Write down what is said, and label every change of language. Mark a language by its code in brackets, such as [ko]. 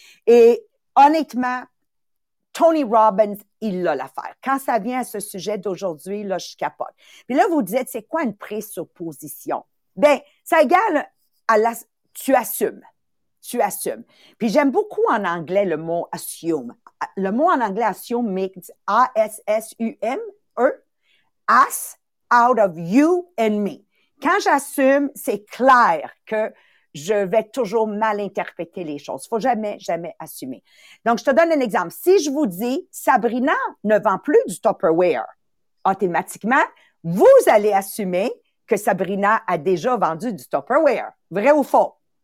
[fr] Et honnêtement, Tony Robbins, il a l'affaire. Quand ça vient à ce sujet d'aujourd'hui, là, je capote. Puis là, vous dites, c'est quoi une présupposition? Ben, ça égale à la, tu assumes. Tu assumes. Puis j'aime beaucoup en anglais le mot assume. Le mot en anglais [en] assume makes A-S-S-U-M-E, as out of you and me. [fr] Quand j'assume, c'est clair que je vais toujours mal interpréter les choses. Faut jamais, jamais assumer. Donc, je te donne un exemple. Si je vous dis, Sabrina ne vend plus du Tupperware, automatiquement, vous allez assumer que Sabrina a déjà vendu du Tupperware. Vrai ou faux?